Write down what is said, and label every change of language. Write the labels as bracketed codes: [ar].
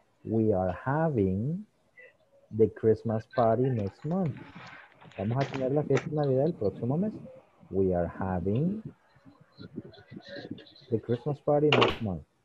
[en] We are having the Christmas party next month. [es] Vamos a tener la fiesta de Navidad el próximo mes. [en] We are having the Christmas party next month.